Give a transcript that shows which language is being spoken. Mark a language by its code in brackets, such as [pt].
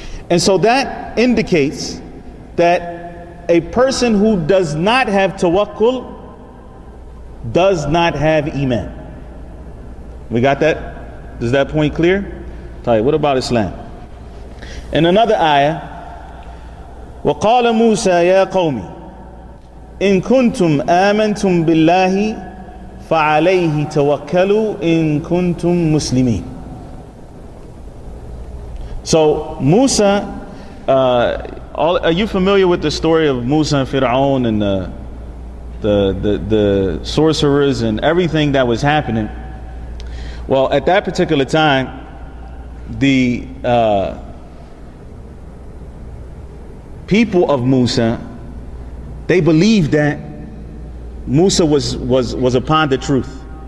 [en] And so that indicates that a person who does not have tawakkul does not have iman. We got that? Is that point clear? Tell you, what about Islam? In another ayah, [ar] وَقَالَ مُوسَى يَا قَوْمِ إن كنتم آمنتم بالله فعليه توكلوا إن كنتم مسلمين. [en] So Musa, are you familiar with the story of Musa and Fir'aun and the sorcerers and everything that was happening? Well, at that particular time, the people of Musa, they believed that Musa was upon the truth.